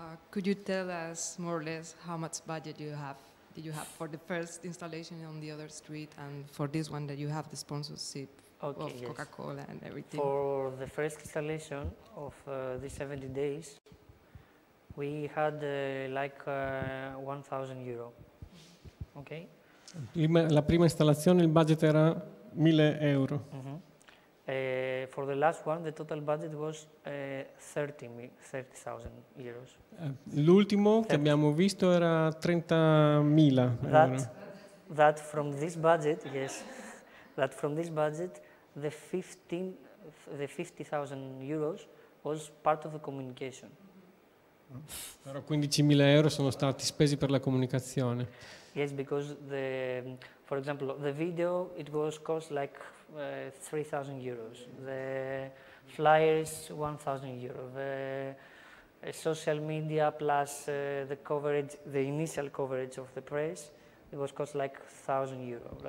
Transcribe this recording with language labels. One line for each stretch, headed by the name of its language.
English: Could you tell us more or less how much budget you have? Did you have for the first installation on the other street and for this one that you have the sponsorship of Coca-Cola and everything? For the first installation of the 70 days, we had like 1,000 euro. Mm-hmm. Okay.
Italian: La prima installazione il budget era 1,000 euro. Mm-hmm.
English: For the last one, the total budget was 30,000 euros.
Italian: L'ultimo 30. Che abbiamo visto era 30,000.
English: That from this budget, yes. That from this budget, the 50,000 euros was part of the communication.
Italian: Però 15.000 euro sono stati spesi per la comunicazione.
English: Yes, because the, for example, the video, it was cost like 3,000 euros. The flyers, 1,000 euros. The social media plus the coverage, the initial coverage of the press, it was cost like 1,000 euros.